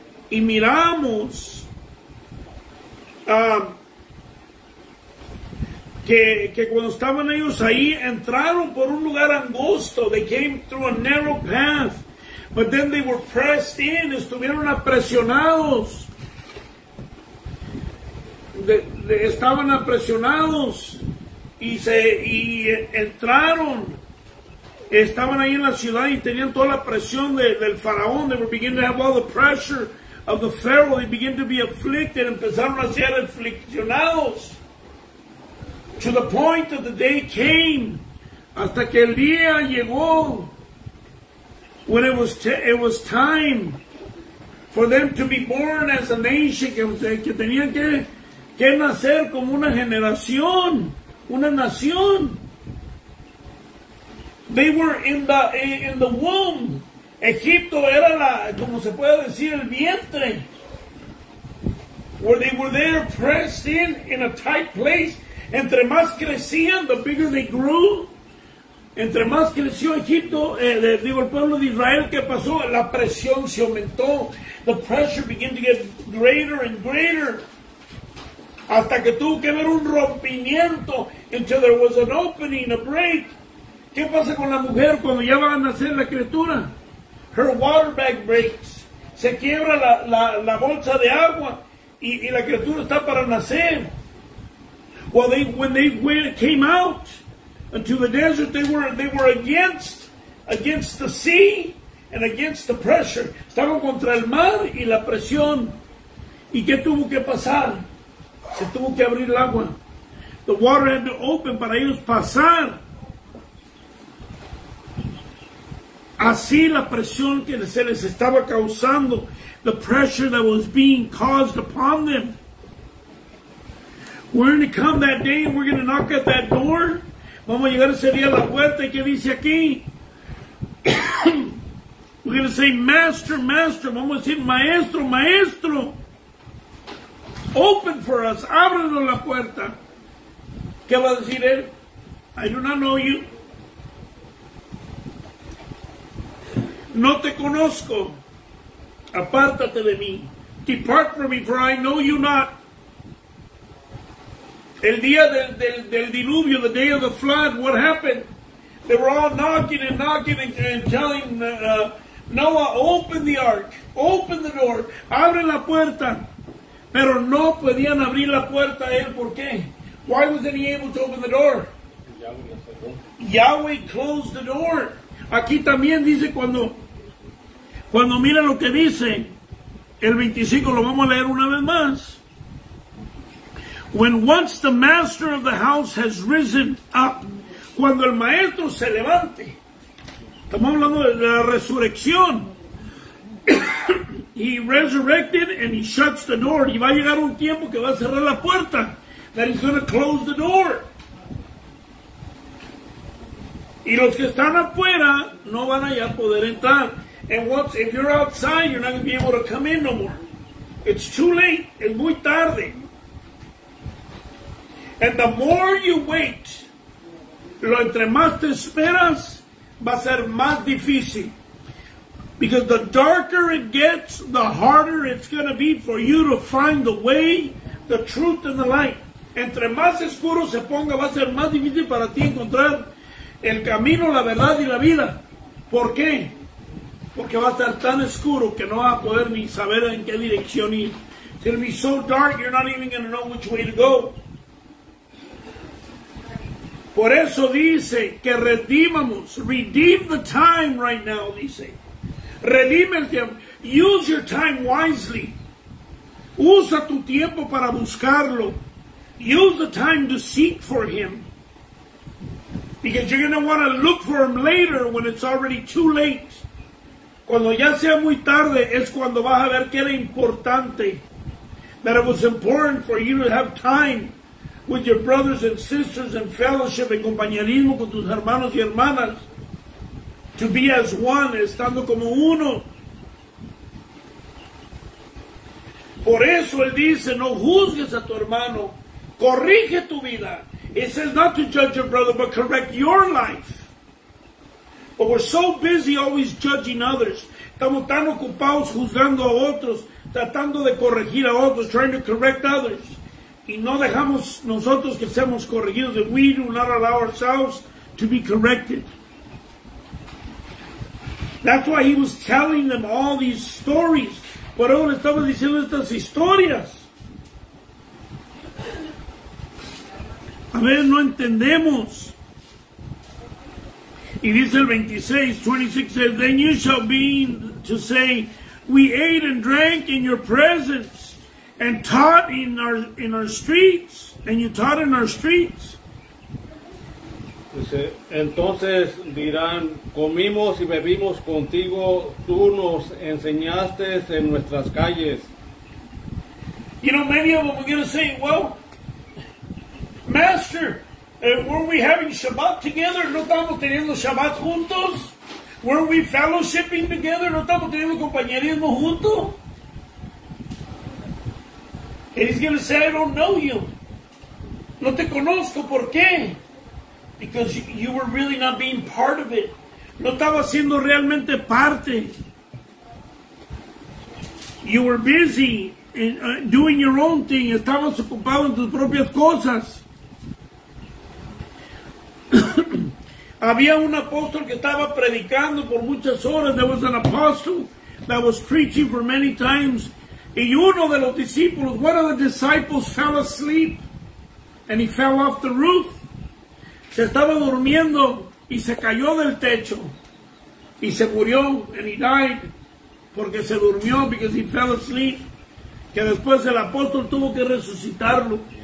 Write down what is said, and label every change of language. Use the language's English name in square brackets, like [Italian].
[Spanish] Y miramos que cuando estaban ellos ahí, entraron por un lugar angosto. [English] They came through a narrow path. But then they were pressed in, [Spanish] estuvieron apresionados. Estaban apresionados y entraron. Estaban ahí en la ciudad y tenían toda la presión del faraón. [English] They were beginning to have all the pressure of the pharaoh. They began to be afflicted. [Spanish] Empezaron a ser afliccionados. [English] To the point that the day came. [Spanish] Hasta que el día llegó. [English] When it was time for them to be born as a nation. [Spanish] Que tenían que nacer como una generación. Una nación. [English] They were in the womb. [Spanish] Egipto era la, como se puede decir, el vientre. [English] Where they were there pressed in a tight place. [Spanish] Entre más crecían, [English] the bigger they grew. [Spanish] Entre más creció Egipto, el pueblo de Israel, ¿qué pasó? La presión se aumentó. [English] The pressure began to get greater and greater. [Spanish] Hasta que tuvo que haber un rompimiento. [English] Until there was an opening, a break. [Spanish] ¿Qué pasa con la mujer cuando ya va a nacer la criatura? [English] Her water bag breaks. [Spanish] Se quiebra la bolsa de agua y la criatura está para nacer. [English] Well, came out into the desert, they were against the sea and against the pressure. [Spanish] Estaban contra el mar y la presión. ¿Y qué tuvo que pasar? Se tuvo que abrir el agua. [English] The water had to open [Spanish] para ellos pasar. Así la presión que se les estaba causando, [English] the pressure that was being caused upon them. We're going to come that day and we're going to knock at that door. [Spanish] Vamos a llegar ese día a la puerta y qué dice aquí. [English] We're going to say, Master, Master. [Spanish] Vamos a decir, Maestro, Maestro. [English] Open for us. [Spanish] Ábrenos la puerta. ¿Qué va a decir él? [English] I do not know you. [Spanish] No te conozco. Apártate de mí. [English] Depart from me, for I know you not. [Spanish] El día del diluvio, [English] the day of the flood, what happened? They were all knocking and knocking and telling Noah, open the ark, open the door, [Spanish] abre la puerta. Pero no podían abrir la puerta a él, ¿por qué? [English] Why wasn't he able to open the door? Yahweh closed the door. [Spanish] Aquí también dice cuando mira lo que dice, el 25 lo vamos a leer una vez más. [English] When once the master of the house has risen up, [Spanish] cuando el maestro se levante, estamos hablando de la resurrección. [English] He resurrected and he shuts the door. [Spanish] Y va a llegar un tiempo que va a cerrar la puerta. [English] That he's going to close the door. [Spanish] Y los que están afuera no van a ya poder entrar. [English] And once, if you're outside, you're not going to be able to come in no more. It's too late. [Spanish] Es muy tarde. [English] And the more you wait, [Spanish] lo entre más te esperas, va a ser más difícil. [English] Because the darker it gets, the harder it's going to be for you to find the way, the truth, and the light. [Spanish] Entre más oscuro se ponga, va a ser más difícil para ti encontrar el camino, la verdad y la vida. ¿Por qué? Porque va a estar tan oscuro que no va a poder ni saber en qué dirección ir. [English] It's going to be so dark, you're not even going to know which way to go. [Spanish] Por eso dice que redimamos, [English] redeem the time right now, [Spanish] dice. Redime el tiempo. [English] Use your time wisely. [Spanish] Usa tu tiempo para buscarlo. [English] Use the time to seek for him. Because you're going to want to look for him later when it's already too late. [Spanish] Cuando ya sea muy tarde es cuando vas a ver que era importante. [English] That it was important for you to have time with your brothers and sisters and fellowship and [Spanish] compañerismo con tus hermanos y hermanas. [English] To be as one, [Spanish] estando como uno. Por eso él dice, no juzgues a tu hermano. Corrige tu vida. [English] It says not to judge your brother, but correct your life. But we're so busy always judging others. [Spanish] Estamos tan ocupados juzgando a otros, [English] tratando de corregir a otros, trying to correct others. [Spanish] Y no dejamos nosotros que seamos corregidos. [English] We do not allow ourselves to be corrected. That's why he was telling them all these stories. [Spanish] Por eso le estaba diciendo estas historias. A veces no entendemos. Y dice el 26 [English] says, then you shall be to say, we ate and drank in your presence and taught in our streets. And you taught in our streets. [Spanish] Dice, entonces dirán, comimos y bebimos contigo, tú nos enseñaste en nuestras calles. [English] You know, many of them are going to say, well, Master, weren't we having Shabbat together? [Spanish] ¿No estamos teniendo Shabbat juntos? [English] ¿Weren't we fellowshipping together? [Spanish] ¿No estamos teniendo compañerismo juntos? [English] And he's going to say, I don't know you. [Spanish] No te conozco, ¿por qué? [English] Because you were really not being part of it. [Spanish] No estaba siendo realmente parte. [English] You were busy in, doing your own thing. [Spanish] Estabas ocupado en tus propias cosas. Había un apóstol que estaba predicando por muchas horas. [English] There was an apostle that was preaching for many times. [Spanish] Y uno de los discípulos, [English] one of the disciples fell asleep. And he fell off the roof. [Spanish] Se estaba durmiendo y se cayó del techo y se murió, [English] and he died [Spanish] porque se durmió, [English] because he fell asleep, [Spanish] que después el apóstol tuvo que resucitarlo.